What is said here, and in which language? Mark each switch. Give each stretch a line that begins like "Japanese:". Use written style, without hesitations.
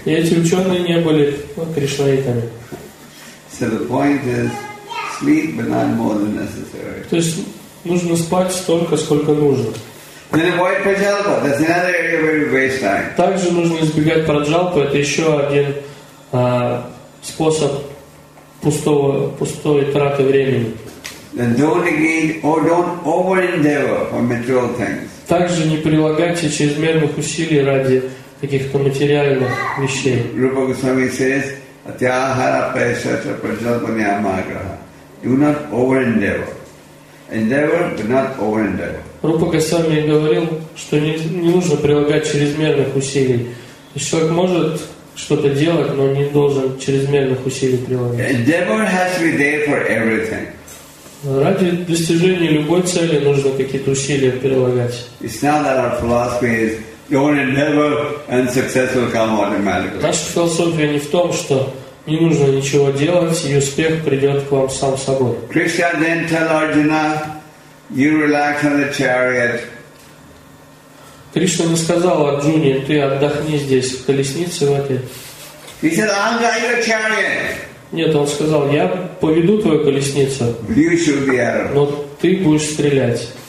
Russian: И эти ученые не были кришнаитами.
English: So the point is, sleep, but not more than necessary.
Russian: То есть нужно спать столько, сколько нужно.
English: Then avoid праджалпа. That's another area where you waste time.
Russian: Также нужно избегать праджалпы. Это еще один способ пустой траты времени.
English: Then don't again or don't overendeavor for material things.
Russian: Также не прилагайте чрезмерных усилий ради каких-то материальных вещей.
English: Rupa Goswami says,
Sanskrit: "Atyahara paishacha prajalpa niyamagraha."
English: Do not overendeavor. Endeavor, but not overendeavor.
Russian: Rupa Goswami говорил, что не нужно прилагать чрезмерных усилий. Человек может что-то делать, но не должен чрезмерных усилий прилагать.
English: Endeavor has to be there for everything.
Russian: Ради достижения любой цели нужно какие-то усилия прилагать.
English: It's not that our philosophy is don't endeavor and success will come automatically.
Russian: Наша философия не в том, что не нужно ничего делать, и успех придет к вам сам собой.
English: Krishna then tell Arjuna, you relax on the chariot.
Russian: Кришна не сказал Арджуне, ты отдохни здесь в колеснице в этой.
English: He said, I'll drive your chariot.
Russian: Нет, он сказал, я поведу твою колесницу, но ты будешь стрелять.